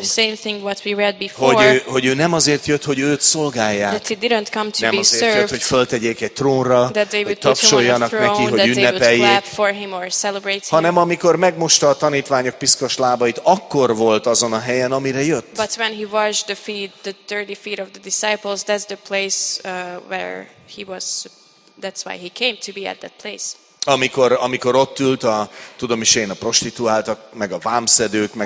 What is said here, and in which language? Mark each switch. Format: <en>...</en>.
<en>The same thing what we read before.</en> <hu>Hogy ő nem azért jött, hogy őt szolgálják.</hu> <en>That he didn't come to</en> <hu>nem</hu> <en>be</en> <hu>azért</hu> <en>served,</en> <hu>jött, hogy föltegyék egy trónra, hogy tapsoljanak</hu> <en>throne,</en> <hu>neki, hogy ünnepeljék.</hu> <en>Clap for him or celebrate him.</en> <hu>Hanem amikor megmosta a tanítványok piszkos lábait, akkor volt azon a helyen, amire jött.</hu> <en>But when he washed the feet, the dirty feet of the disciples, that's the place where he was, that's why he came to be at that place.</en> <hu>Amikor ott ült a, tudom is én, a prostituáltak, meg a vámszedők, meg</hu>